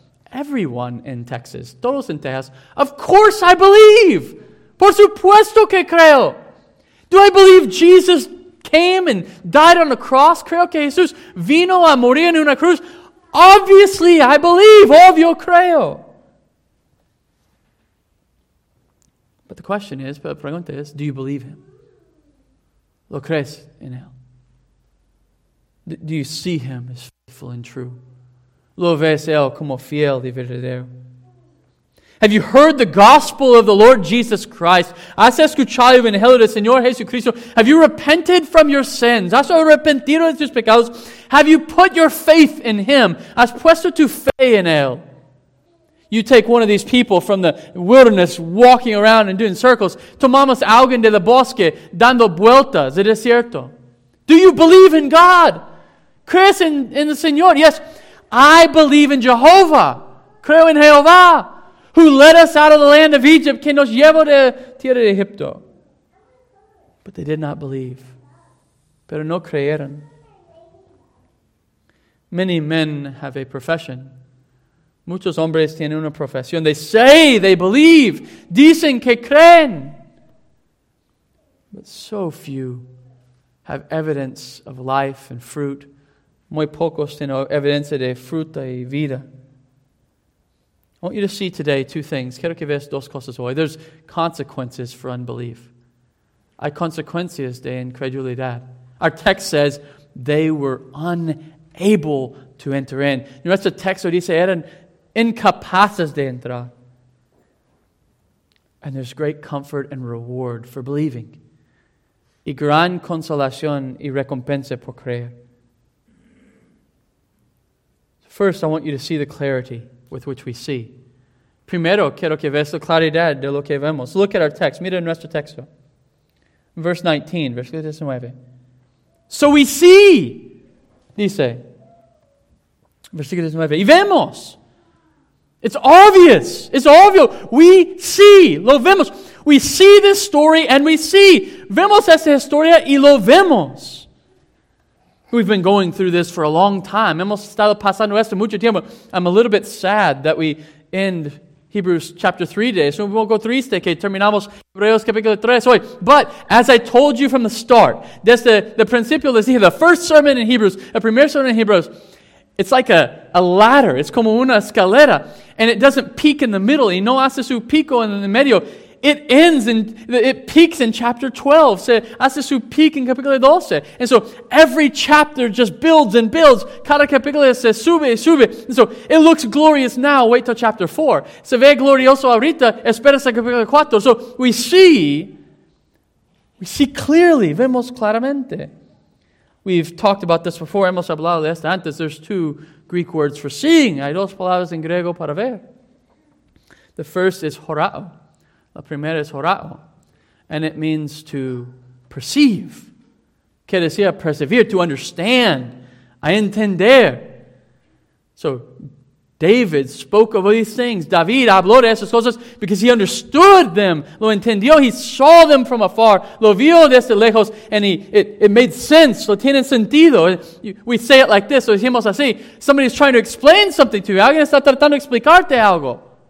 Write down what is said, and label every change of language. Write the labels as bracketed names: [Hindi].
[English] Everyone in Texas, [Spanish] todos en Texas, [English] of course I believe. [Spanish] Por supuesto que creo. [English] Do I believe Jesus came and died on the cross? [Spanish] Creo que Jesús vino a morir en una cruz. [English] Obviously, I believe. [Spanish] Obvio, creo. [English] But the question is, [Spanish] pero la pregunta es, [English] do you believe him? [Spanish] ¿Lo crees en él? [English] Do you see him as faithful and true? [Spanish] ¿Lo ves él como fiel y verdadero? [English] Have you heard the gospel of the Lord Jesus Christ? [Spanish] ¿Has escuchado el evangelio del Señor Jesucristo? [English] Have you repented from your sins? [Spanish] ¿Has arrepentido de tus pecados? [English] Have you put your faith in him? [Spanish] ¿Has puesto tu fe en él? [English] You take one of these people from the wilderness walking around and doing circles. [Spanish] Tomamos alguien de la bosque dando vueltas de desierto. [English] Do you believe in God? [Spanish] ¿Crees en el Señor? [English] Yes. I believe in Jehovah, [Spanish] creo en Jehová, [English] who led us out of the land of Egypt, [Spanish] que nos llevó de tierra de Egipto. [English] But they did not believe. [Spanish] Pero no creyeron. [English] Many men have a profession. [Spanish] Muchos hombres tienen una profesión. [English] They say they believe. [Spanish] Dicen que creen. [English] But so few have evidence of life and fruit. [Spanish] Muy pocos tienen evidencia de fruta y vida. [English] I want you to see today two things. [Spanish] Quiero que veas dos cosas hoy. [English] There's consequences for unbelief. [Spanish] Hay consecuencias de incredulidad. [English] Our text says they were unable to enter in. [Spanish] Nuestro texto dice eran incapaces de entrar. [English] And there's great comfort and reward for believing. [Spanish] Y gran consolación y recompensa por creer. [English] First, I want you to see the clarity with which we see. [Spanish] Primero, quiero que veas la claridad de lo que vemos. [English] Look at our text. [Spanish] Mira nuestro texto. [English] Verse 19, [Spanish] versículo 19. [English] So we see, [Spanish] dice. Versículo 19. Y vemos. [English] It's obvious. It's obvio. We see. [Spanish] Lo vemos. [English] We see this story and we see. [Spanish] Vemos esta historia y lo vemos. [English] We've been going through this for a long time. [Spanish] Hemos estado pasando esto mucho tiempo. [English] I'm a little bit sad that we end Hebrews chapter 3 today. So we won't go [Spanish] triste que terminamos Hebreos capítulo 3 hoy. [English] But as I told you from the start, desde the principio, [Spanish] les dije, [English] the first sermon in Hebrews, the primer sermon in Hebrews, it's like a ladder. It's [Spanish] como una escalera. [English] And it doesn't peak in the middle. [Spanish] Y no hace su pico en el medio. [English] It ends and it peaks in chapter 12. [Spanish] Se hace su peak en capítulo 12. [English] And so every chapter just builds and builds. [Spanish] Cada capítulo se sube y sube. [English] And so it looks glorious now. Wait till chapter 4. [Spanish] Se ve glorioso ahorita. Espera hasta capítulo 4. [English] So we see clearly. [Spanish] Vemos claramente. [English] We've talked about this before. [Spanish] Hemos hablado de esto antes. [English] There's two Greek words for seeing. [Spanish] Hay dos palabras en griego para ver. [English] The first is horao. [Spanish] La primera es horao. [English] And it means to perceive. [Spanish] Quiere decir persevere, [English] to understand. [Spanish] A entender. [English] So David spoke of these things. [Spanish] David habló de esas cosas [English] because he understood them. [Spanish] Lo entendió. [English] He saw them from afar. [Spanish] Lo vio desde lejos. [English] And it made sense. [Spanish] Lo tiene sentido. [English] We say it like this. [Spanish] Lo decimos así. [English] Somebody's trying to explain something to you. [Spanish] Alguien está tratando de explicarte algo.